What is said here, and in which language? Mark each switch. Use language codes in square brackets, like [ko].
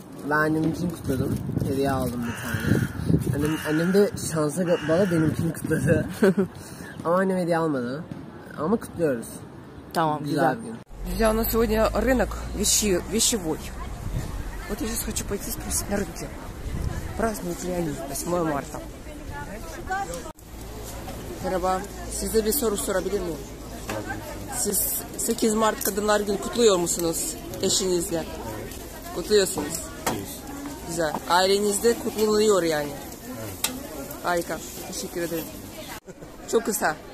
[tr] Ben annemin için kutladım. Hediye aldım bir tane. Annem de şansa bana benim için kutladı. Ama annem hediye almadı. Ama kutluyoruz. Tamam, güzel. [ru] Друзья, у нас сегодня рынок вещевой. Вот я сейчас хочу пойти спросить на рынке. Празднуют ли они 8 марта? [tr] Merhaba, size bir soru sorabilir miyim? Siz 8 Mart Kadınlar Günü kutluyor musunuz eşinizle? Kutluyorsunuz. Güzel. Ailenizde kutlanıyor yani. Harika. Teşekkür ederim. Çok kısa.